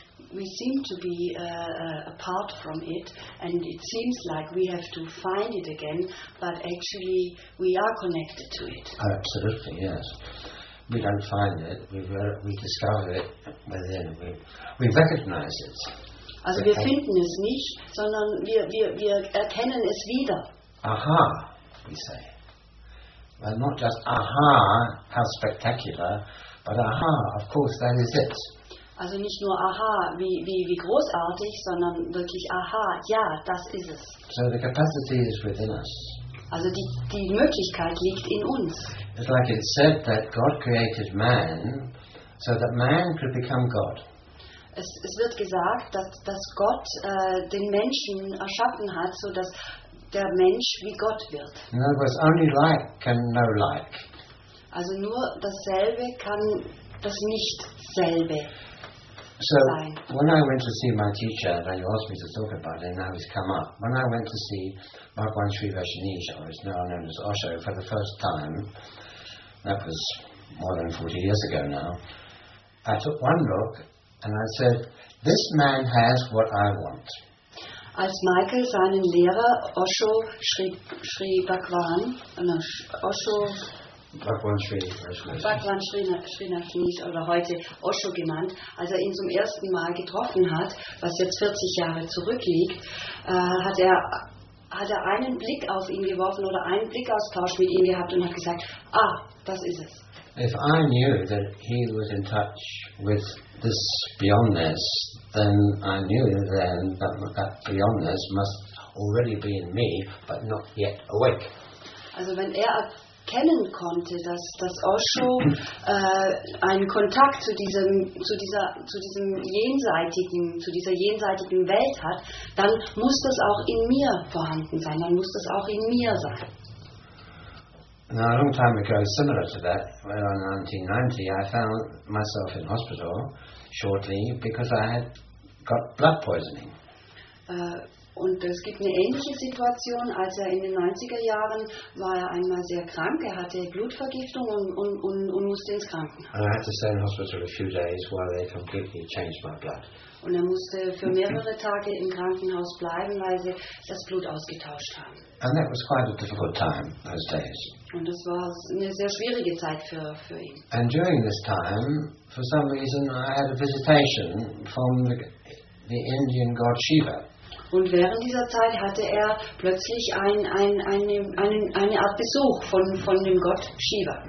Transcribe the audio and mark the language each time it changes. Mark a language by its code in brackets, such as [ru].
[en] We seem to be apart from it, and it seems like we have to find it again, but actually we are connected to it. Absolutely, yes. We don't find it, we discover it within, we recognize it. [de] Also wir finden es nicht, sondern wir erkennen es wieder. [en] Aha, we say. Well, not just aha, how spectacular, but aha, of course, that is it. [de] Also nicht nur aha, wie großartig, sondern wirklich aha, ja, das ist es. [en] So the capacity is within us. [de] Also die Möglichkeit liegt in uns. [en] It's like it said that God created man, so that man could become God. [de] Es wird gesagt, dass Gott den Menschen erschaffen hat, so dass der Mensch wie Gott wird. In other words, only like can know like. Also nur dasselbe kann das Nicht-Selbe so sein. [en] So, when I went to see my teacher, and he asked me to talk about it, now he's come up. When I went to see Bhagwan Sri Vaishnija, who is now known as Osho, for the first time, that was more than 40 years ago now, I took one look and I said, this man has what I want. [de] Als Michael seinen Lehrer Osho Sri Bhagwan, Osho Bhagwan Srinathnish oder heute Osho genannt, als er ihn zum ersten Mal getroffen hat, was jetzt 40 Jahre zurückliegt, hat er einen Blick auf ihn geworfen oder einen Blickaustausch mit ihm gehabt und hat gesagt, ah, das ist es. [en] If I knew that he was in touch with this beyondness, then I knew then that beyondness must already be in me, but not yet awake. [de] Also wenn er erkennen konnte, dass Osho einen Kontakt zu dieser jenseitigen Welt hat, dann muss das auch in mir vorhanden sein, dann muss das auch in mir sein. [en] Now, a long time ago, similar to that, well, in 1990, I found myself in hospital shortly because I had got blood poisoning. [de] Und es gibt eine ähnliche Situation, als er in den 90er Jahren war, er einmal sehr krank, er hatte Blutvergiftung und musste ins Krankenhaus. [en] And I had to stay in hospital a few days while they completely changed my blood. [de] Und er musste für mehrere Tage im Krankenhaus bleiben, weil sie das Blut ausgetauscht haben. [en] And that was quite a difficult time, those days. [de] Und das war eine sehr schwierige Zeit für ihn. [en] And during this time, for some reason, I had a visitation from the Indian god Shiva. [de] Und während dieser Zeit hatte er plötzlich eine Art Besuch von dem Gott Shiva.